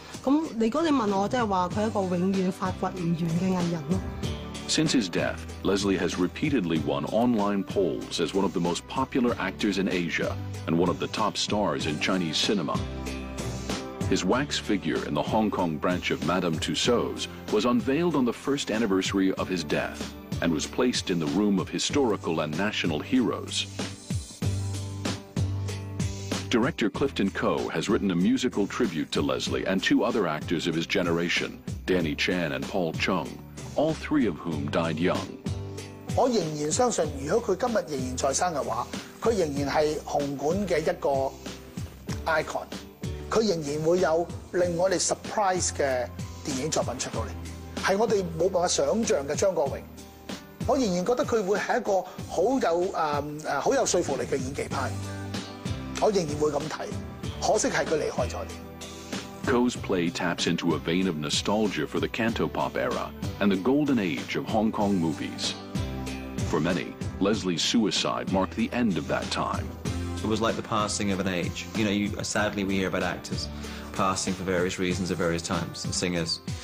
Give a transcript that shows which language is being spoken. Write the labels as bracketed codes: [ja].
[yue] 咁如果你問我，即係話佢一個永遠發掘唔完嘅藝人咯。 [en] Since his death, Leslie has repeatedly won online polls as one of the most popular actors in Asia and one of the top stars in Chinese cinema. His wax figure in the Hong Kong branch of Madame Tussauds was unveiled on the first anniversary of his death and was placed in the room of historical and national heroes. Director Clifton Coe has written a musical tribute to Leslie and two other actors of his generation, Danny Chan and Paul Cheung. All three of whom died young. [yue] 我仍然相信，如果佢今日仍然在生嘅話，佢仍然係紅館嘅一個 icon。佢仍然會有令我哋 surprise 嘅電影作品出到嚟，係我哋冇辦法想像嘅張國榮。我仍然覺得佢會係一個好有好有說服力嘅演技派。我仍然會咁睇，可惜係佢離開咗。 [en] Coe's play taps into a vein of nostalgia for the cantopop era and the golden age of Hong Kong movies. For many, Leslie's suicide marked the end of that time. It was like the passing of an age. You know, sadly we hear about actors passing for various reasons at various times, and singers.